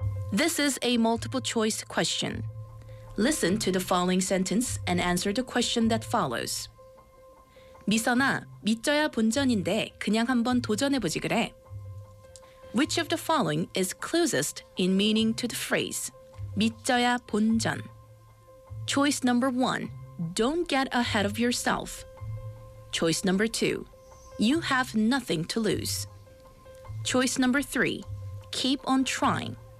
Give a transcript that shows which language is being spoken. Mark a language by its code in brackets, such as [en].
[en] This is a multiple choice question. Listen to the following sentence and answer the question that follows. [ko] 미선아, 미쩌야 본전인데 그냥 한번 도전해보지 그래. [en] Which of the following is closest in meaning to the phrase [ko] 미쩌야 본전? [en] Choice number one, don't get ahead of yourself. Choice number two, you have nothing to lose. Choice number three, keep on trying.